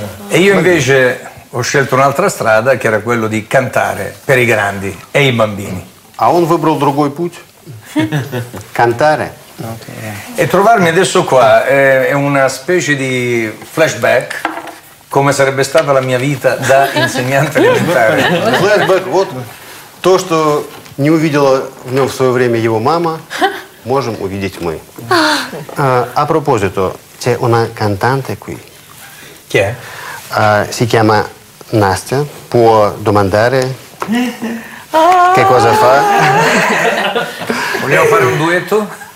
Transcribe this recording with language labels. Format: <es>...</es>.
<it>E io invece ho scelto un'altra strada, che era quello di cantare per i grandi e i bambini.</it> <ru>А он выбрал другой путь. Cantare.</ru> <it>E trovarmi adesso qua è una specie di flashback. Come sarebbe stata la mia vita da insegnante elementare.</it> <ru>Flashback, вот то, что не увидела в нем в свое время его мама, можем увидеть мы.</ru> <it>A proposito, c'è una cantante qui. Chi è? Si chiama Nastya. Può domandare che cosa fa? Vogliamo fare un duetto?</it>